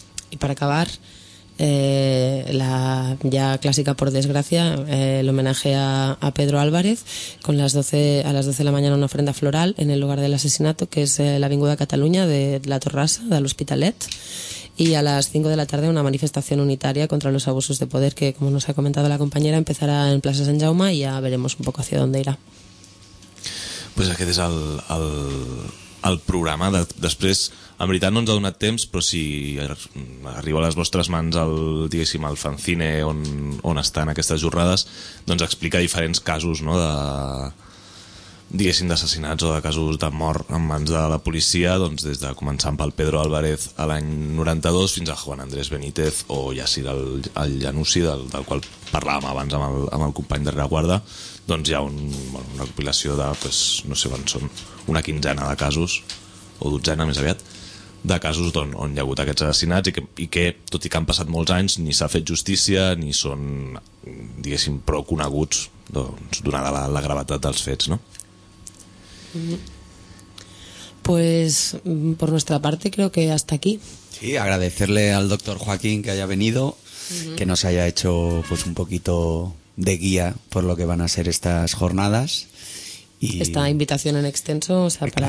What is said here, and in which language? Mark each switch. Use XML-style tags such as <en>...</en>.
<es>Y para acabar, la ya clásica, por desgracia, el homenaje a Pedro Álvarez, con las 12, a las 12 de la mañana, una ofrenda floral en el lugar del asesinato, que es la Avinguda Cataluña de la Torrasa, de l'Hospitalet. Y a las 5 de la tarde, una manifestación unitaria contra los abusos de poder, que, como nos ha comentado la compañera, empezará en Plaza Sant Jaume, y ya veremos un poco hacia dónde irá.</es> <ca>Pues aquest és el programa. Després, en veritat, no ens ha donat temps, però si arriba a les vostres mans el, diguéssim, el fanzine on estan aquestes jornades, doncs explica diferents casos, no, de, diguéssim, d'assassinats o de casos de mort en mans de la policia, doncs des de començant pel Pedro Álvarez a l'any 92 fins a Juan Andrés Benítez o Yassir el Llanuci, del qual parlàvem abans amb el company de Reguarda, doncs hi ha una recopilació de, pues, no sé quan són, una quinzena de casos, o dotzena més aviat, de casos on hi ha hagut aquests assassinats i que, tot i que han passat molts anys, ni s'ha fet justícia ni són, diguéssim, prou coneguts, doncs, donada la gravetat dels fets, no?</ca> <es>Pues por nuestra parte creo que hasta aquí. Sí, agradecerle al doctor Joaquín que haya venido, que nos haya hecho pues un poquito de guía por lo que van a ser estas jornadas. Y esta invitación en extenso, o sea, para...</es>